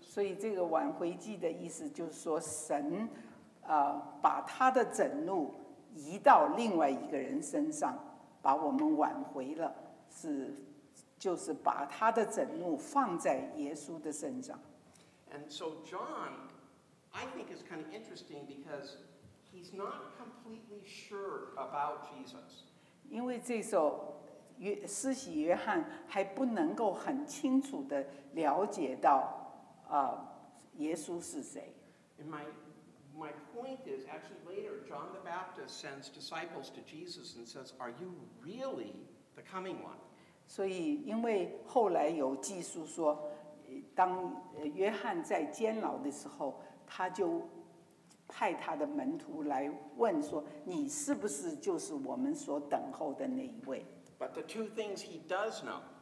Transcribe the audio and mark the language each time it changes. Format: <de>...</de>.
<zh>所以这个挽回祭的意思就是说神把他的震怒移到另外一个人身上，把我们挽回了，是就是把他的震怒放在耶稣的身上。</zh> <en>And so John I think is kind of interesting because he's not completely sure about Jesus.</en> <zh>因为这首施洗约翰还不能够很清楚地了解到耶稣是谁。</zh> <en>And my point is actually later John the Baptist sends disciples to Jesus and says, are you really the coming one?</en> <zh>所以因为后来有记述说当约翰在监牢的时候他就派他的门徒来问说你是不是就是我们所等候的那一位。</zh> <en>But the two things he does know.</en>